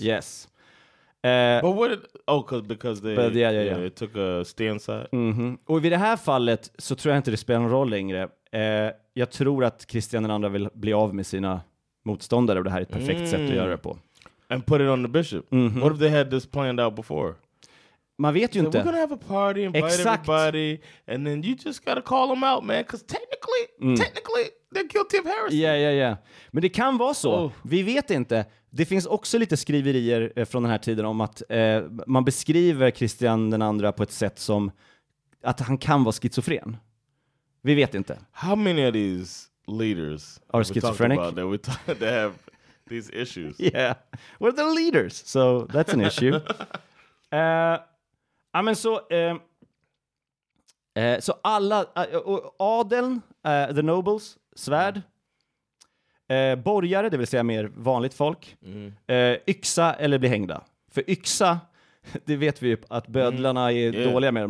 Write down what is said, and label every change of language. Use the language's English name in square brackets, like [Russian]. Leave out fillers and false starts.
[English] Yes. But what? Because it took a stand side. Mm-hmm. [Swedish] Och vid det här fallet så tror jag inte det spelar någon roll längre. Jag tror att Christian den andra vill bli av med sina motståndare och det här är ett perfekt sätt att göra det på. [English] and put it on the bishop. Mm-hmm. What if they had this planned out before? [Swedish] Man vet ju inte. [English] We're gonna have a party, invite Exakt. Everybody, and then you just gotta call them out, man, because technically, technically, they're guilty of heresy. Yeah, yeah, yeah. [Swedish] Men det kan vara så. Oh. Vi vet inte. Det finns också lite skriverier från den här tiden om att man beskriver Christian den andra på ett sätt som att han kan vara schizofren. Vi vet inte. [English] How many of these leaders are schizophrenic? That we talk, that have these issues. Yeah, we're the leaders, so that's an issue. [Swedish] Ja, men så så alla adeln, [English] the nobles, [Swedish] svärd, borgare, det vill säga mer vanligt folk, yxa eller bli hängda. För yxa, det vet vi ju att bödlarna är dåliga med dem.